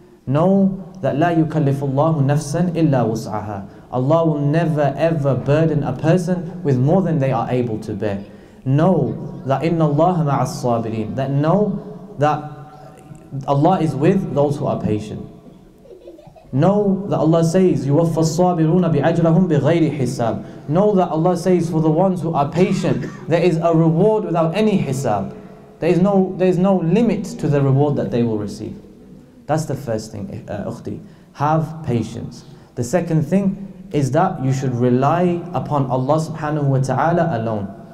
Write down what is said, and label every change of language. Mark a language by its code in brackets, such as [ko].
[en] Know that [ar] la yukallifullahu nafsan illa wus'aha. [en] Allah will never ever burden a person with more than they are able to bear. Know that [ar] inna Allah ma'as sabirin, [en] that know that Allah is with those who are patient. Know that Allah says, [ar] يُوَفَّ الصَّابِرُونَ بِعَجْرَهُمْ بِغَيْرِ حِسَابٍ. [en] Know that Allah says, for the ones who are patient, there is a reward without any hisab. There is no limit to the reward that they will receive. That's the first thing, Ukhti. Have patience. The second thing is that you should rely upon Allah subhanahu wa ta'ala alone.